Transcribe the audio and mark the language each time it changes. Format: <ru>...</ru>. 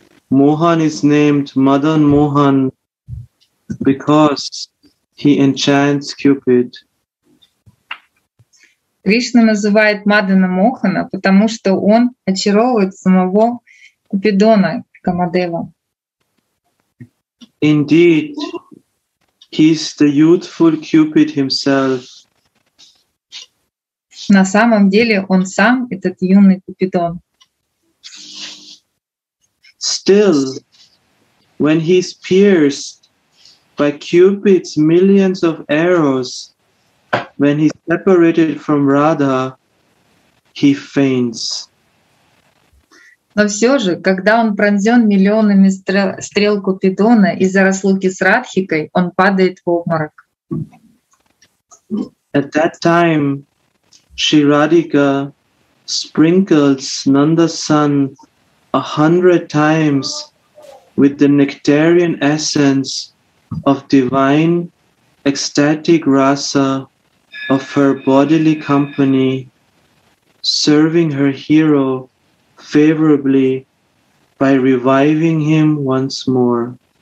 <en>Mohan is named Madan Mohan because he enchants Cupid.</en> <ru>Кришна называет Мадана Мохана, потому что он очаровывает самого Купидона Камадева.</ru> <en>Indeed, he is the youthful Cupid himself.</en> <ru>На самом деле он сам этот юный Купидон.</ru> <en>Still, when he is pierced by Cupid's millions of arrows, when he is separated from Radha, he faints.</en> <ru>Но все же, когда он пронзен миллионами стрел Купидона из-за расслуги с Радхикой, он падает в обморок.</ru> <en>At that time, Sri Radhika sprinkles Nanda's son 100 times with the nectarian essence of divine ecstatic rasa of her bodily company, serving her hero favorably by reviving him once more.</en>